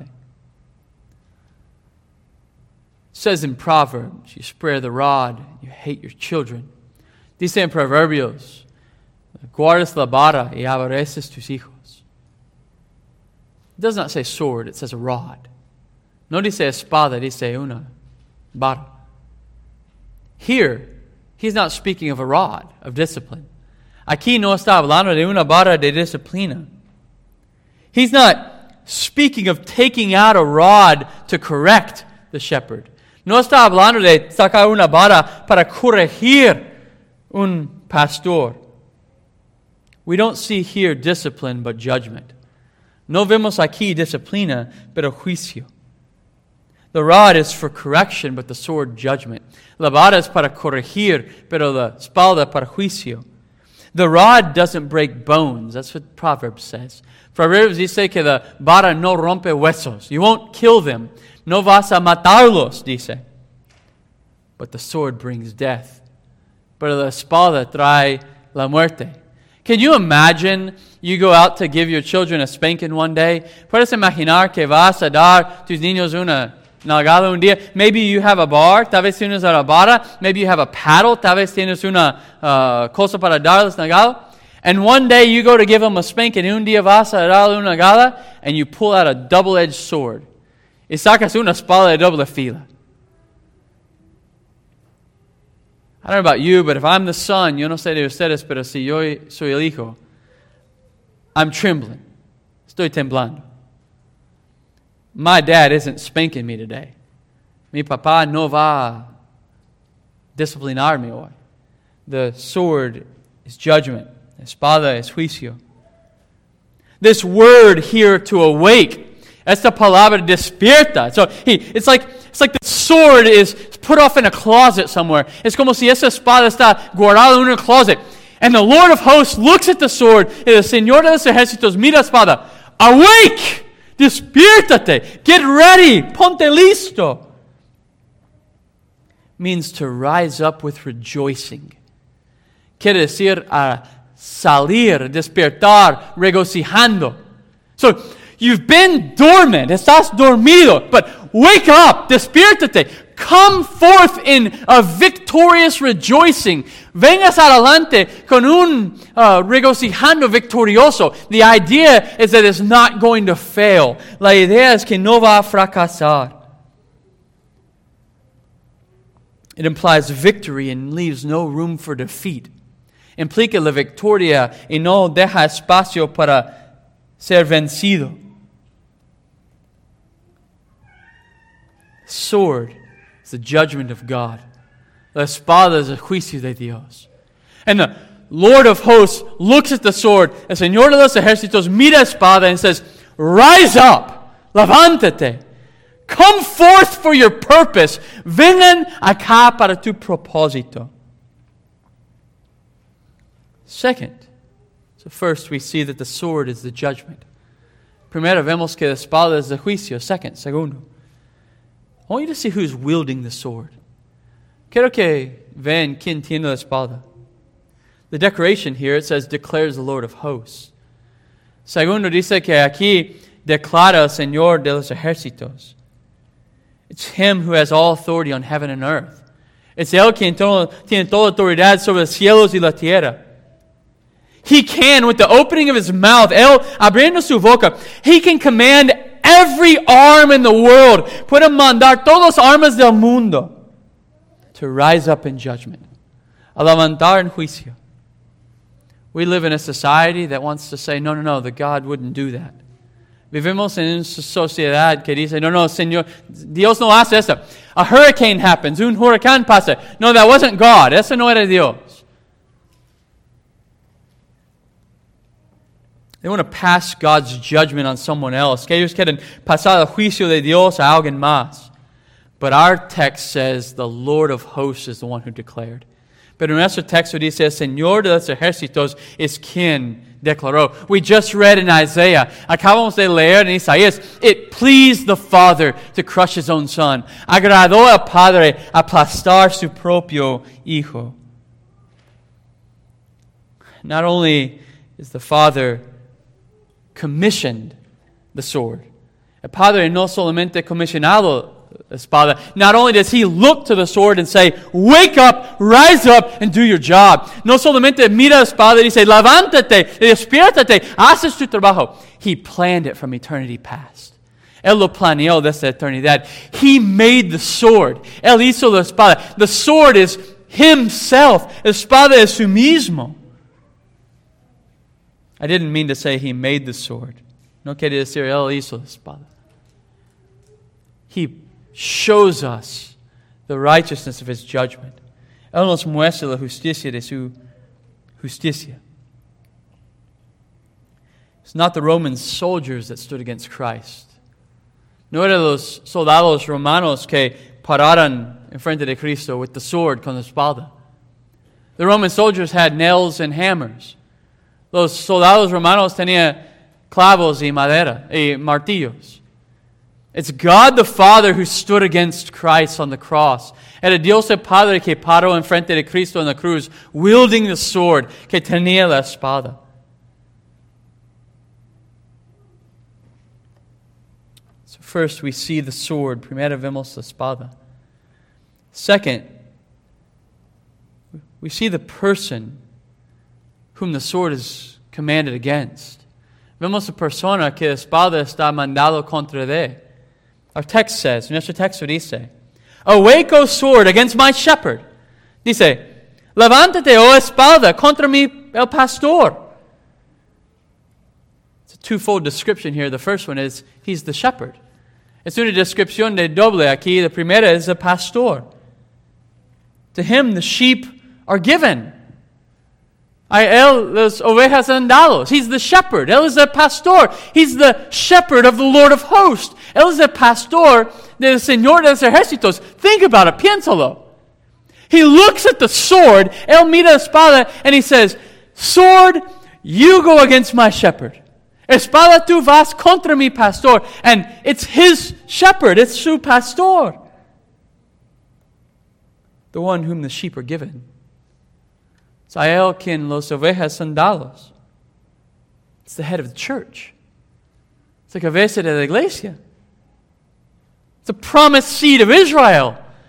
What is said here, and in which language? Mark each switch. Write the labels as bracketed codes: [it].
[en] It says in Proverbs, you spare the rod, you hate your children. [es] Dice en Proverbios, guardas la vara y aborreces tus hijos. [en] It does not say sword, it says a rod. [es] No dice espada, dice una vara. [en] Here, he's not speaking of a rod of discipline. [es] Aquí no está hablando de una vara de disciplina. [en] He's not speaking of taking out a rod to correct the shepherd. [es] No está hablando de sacar una vara para corregir un pastor. [en] We don't see here discipline, but judgment. [es] No vemos aquí disciplina, pero juicio. [en] The rod is for correction, but the sword, judgment. [es] La vara es para corregir, pero la espada para juicio. [en] The rod doesn't break bones. That's what Proverbs says. [es] Proverbs dice que la vara no rompe huesos. [en] You won't kill them. [es] No vas a matarlos, dice. [en] But the sword brings death. [es] Pero la espada trae la muerte. [en] Can you imagine you go out to give your children a spanking one day? [es] ¿Puedes imaginar que vas a dar tus niños una Nagala un día. [en] Maybe you have a bar. [es] Tal vez tienes una barra. [en] Maybe you have a paddle. [es] Tal vez tienes una cosa para darles nagala. [en] And one day you go to give them a spank, and [es] un día vas a darle una nagala, [en] and you pull out a double-edged sword. [es] Y sacas una espada de doble fila. [en] I don't know about you, but if I'm the son, [es] yo no sé de ustedes, pero si yo soy el hijo, [en] I'm trembling. [es] Estoy temblando. [en] My dad isn't spanking me today. [es] Mi papá no va a disciplinarme hoy. [en] The sword is judgment. [es] Espada es juicio. [en] This word here to awake, [es] esta palabra despierta. [en] So it's like the sword is put off in a closet somewhere. [es] Es como si esa espada está guardada en un closet. [en] And the Lord of hosts looks at the sword, and the [es] Señor de los ejércitos mira espada. [en] Awake! [es] Despiértate! [en] Get ready! [es] Ponte listo! [en] Means to rise up with rejoicing. [es] Quiere decir a salir, despertar, regocijando. [en] So, you've been dormant. [es] Estás dormido. [en] But wake up! [es] Despiértate! [en] Come forth in a victorious rejoicing. [es] Vengas adelante con un regocijando victorioso. [en] The idea is that it's not going to fail. [es] La idea es que no va a fracasar. [en] It implies victory and leaves no room for defeat. [es] Implica la victoria y no deja espacio para ser vencido. [en] Sword. It's the judgment of God. [es] La espada es el juicio de Dios. [en] And the Lord of hosts looks at the sword. [es] El Señor de los ejércitos mira espada [en] and says, rise up, [es] levántate. [en] Come forth for your purpose. [es] Vengan acá para tu propósito. [en] Second, so first we see that the sword is the judgment. [es] Primero vemos que la espada es el juicio. [en] Second, [es] segundo. [en] I want you to see who's wielding the sword. [es] Quiero que vean quién tiene la espada. [en] The decoration here, it says, declares the Lord of hosts. [es] Segundo dice que aquí declara el Señor de los ejércitos. [en] It's him who has all authority on heaven and earth. [es] Es él quien tiene toda autoridad sobre los cielos y la tierra. [en] He can, with the opening of his mouth, [es] él abriendo su boca, [en] he can command every arm in the world, [es] puede mandar todos los armas del mundo [en] to rise up in judgment, [es] a levantar en juicio. [en] We live in a society that wants to say, no, no, no, the God wouldn't do that. [es] Vivimos en una sociedad que dice, no, no, Señor, Dios no hace eso. [en] A hurricane happens, [es] un huracán pasa. [en] No, that wasn't God, [es] eso no era Dios. [en] They want to pass God's judgment on someone else. [es] Que ellos quieren pasar el juicio de Dios a alguien más. [en] But our text says the Lord of hosts is the one who declared. [es] Pero nuestro texto dice, el Señor de los ejércitos es quien declaró. [en] We just read in Isaiah. [es] Acabamos de leer en Isaías. [en] It pleased the Father to crush his own son. [es] Agradó al Padre aplastar su propio hijo. [en] Not only is the Father commissioned the sword. [es] El Padre no solamente comisionado la espada. [en] Not only does he look to the sword and say, wake up, rise up, and do your job. [es] No solamente mira la espada y dice, levántate, despiértate, haces tu trabajo. [en] He planned it from eternity past. [es] Él lo planeó desde eternidad. [en] He made the sword. [es] Él hizo la espada. [en] The sword is himself. [es] La espada es su mismo. [en] I didn't mean to say he made the sword. [es] No quería decir él hizo la espada. [en] He shows us the righteousness of his judgment. [es] Él nos muestra la justicia de su justicia. [en] It's not the Roman soldiers that stood against Christ. [es] No eran los soldados romanos que pararon en frente de Cristo [en] with the sword [es] con la espada. [en] The Roman soldiers had nails and hammers. [es] Los soldados romanos tenían clavos y madera, y martillos. [en] It's God the Father who stood against Christ on the cross. [es] Era Dios el Padre que paró en frente de Cristo en la cruz, [en] wielding the sword [es] que tenía la espada. [en] It's So first, we see the sword, [es] primera vemos la espada. [en] Second, we see the person whom the sword is commanded against. [es] Vemos la persona que la espada está mandado contra de. [en] Our text says, [es] nuestro texto dice, [en] awake, O sword, against my shepherd. [es] Dice, levántate, O espada, contra mi el pastor. [en] It's a twofold description here. The first one is, he's the shepherd. [es] Es una descripción de doble aquí. La primera es el pastor. [en] To him, the sheep are given. [es] A él, las ovejas han dado. [en] He's the shepherd. [es] Él es el pastor. [en] He's the shepherd of the Lord of hosts. [es] Él es el pastor del Señor de los ejércitos. [en] Think about it. [es] Piénsalo. [en] He looks at the sword. [es] Él mira la espada [en] and he says, sword, you go against my shepherd. [es] Espada, tú vas contra mi pastor. [en] And it's his shepherd. [es] It's su pastor. [en] The one whom the sheep are given. [es] Es a él quien los ovejas han dado. [en] It's the head of the church. It's the [es] cabeza de la iglesia. [en] It's the promised seed of Israel.